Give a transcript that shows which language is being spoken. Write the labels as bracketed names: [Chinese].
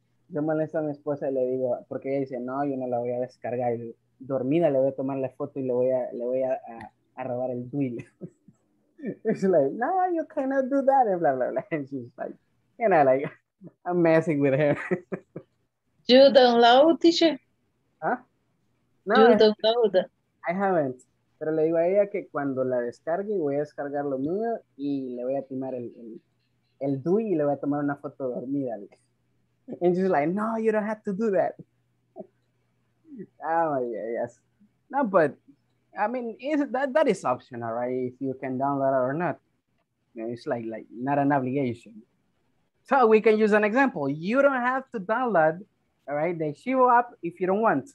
[Spanish] Yo molesto a mi esposa y le digo, porque ella dice, no, yo no la voy a descargar. Dormida le voy a tomar la foto y le voy a robar el duil. [English] It's like, no, you cannot do that, and blah, blah, blah. And she's like, you know, like, I'm messing with her. You download, teacher? Huh? No, you download. I haven't. [Spanish] Pero le digo a ella que cuando la descargue, voy a descargar lo mío y le voy a timar el DUI y le voy a tomar una foto dormida. [English] And she's like, no, you don't have to do that. Oh, yeah, yes. No, but, I mean, that is optional, right? If you can download it or not. It's like not an obligation. So we can use an example. You don't have to download, all right, the Shivo app if you don't want.